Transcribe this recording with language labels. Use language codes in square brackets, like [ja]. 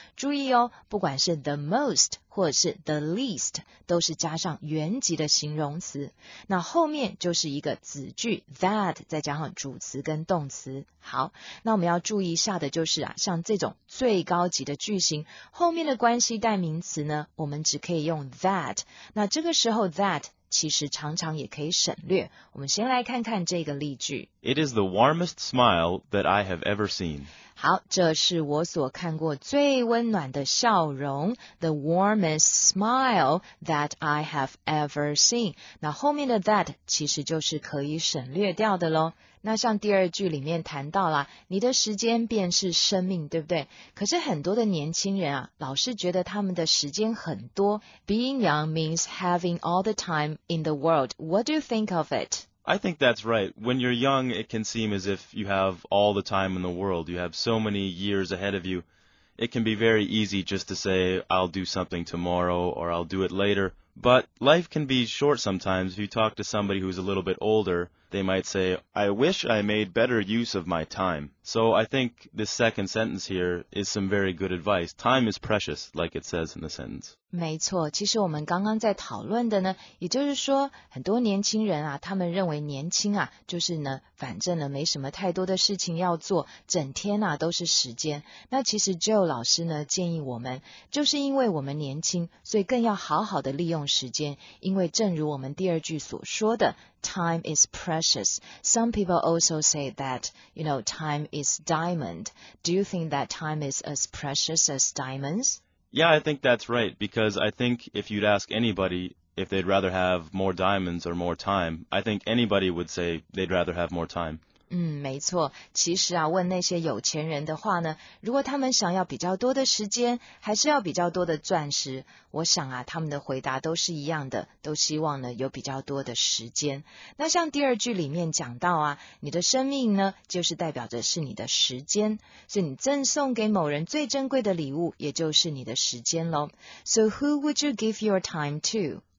[zh] 注意哦，不管是 the most 或者是 the least 都是加上原级的形容词，那后面就是一个子句 that 再加上主词跟动词。好，那我们要注意一下的就是啊，像这种最高级的句型后面的关系代名词呢，我们只可以用 that， 那这个时候 that其实常常也可以省略。我们先来看看这个例句。 [en] It is the warmest smile that I have ever seen. [zh] 好，这是我所看过最温暖的笑容。 [en] The warmest smile that I have ever seen. [zh] 那后面的 that 其实就是可以省略掉的咯。那像第二句里面谈到啦，你的时间便是生命，对不对？可是很多的年轻人啊，老是觉得他们的时间很多。 [en] Being young means having all the time in the world. What do you think of it? I think that's right. When you're young, it can seem as if you have all the time in the world. You have so many years ahead of you. It can be very easy just to say, I'll do something tomorrow or I'll do it later. But life can be short sometimes. If you talk to somebody who's a little bit older, they might say, I wish I made better use of my time. So I think this second sentence here is some very good advice. Time is precious, like it says in the sentence. [zh] 没错，其实我们刚刚在讨论的呢，也就是说很多年轻人啊，他们认为年轻啊就是呢反正呢没什么太多的事情要做，整天啊都是时间。那其实 Joe 老师呢建议我们，就是因为我们年轻，所以更要好好的利用时间，因为正如我们第二句所说的 [en] time is precious. Some people also say that, you know, time is diamond. Do you think that time is as precious as diamonds? Yeah, I think that's right, because I think if you'd ask anybody if they'd rather have more diamonds or more time, I think anybody would say they'd rather have more time. [zh] 嗯，没错。其实啊，问那些有钱人的话呢，如果他们想要比较多的时间，还是要比较多的钻石，我想啊，他们的回答都是一样的，都希望呢有比较多的时间。那像第二句里面讲到啊，你的生命呢，就是代表着是你的时间，所以你赠送给某人最珍贵的礼物，也就是你的时间咯。 [en] So who would you give your time to?